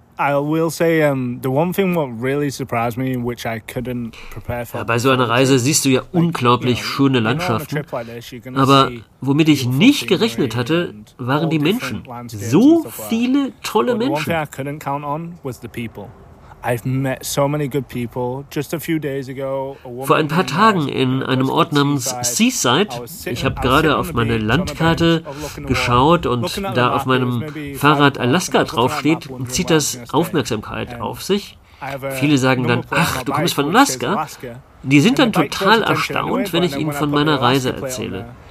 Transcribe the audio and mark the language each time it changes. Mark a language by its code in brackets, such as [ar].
[en] I will say, the one thing what really surprised me, which I couldn't prepare for. [de] Ja, bei so einer Reise siehst du ja unglaublich schöne Landschaften. Aber womit ich nicht gerechnet hatte, waren die Menschen. So viele tolle Menschen. [en] One thing I couldn't count on was the people. I've met so many good people. Just a few days ago, [de] vor ein paar Tagen in einem Ort namens Seaside, ich habe gerade auf meine Landkarte geschaut und da auf meinem Fahrrad Alaska draufsteht, zieht das Aufmerksamkeit auf sich. Viele sagen dann, ach, du kommst von Alaska? Die sind dann total erstaunt, wenn ich ihnen von meiner Reise erzähle.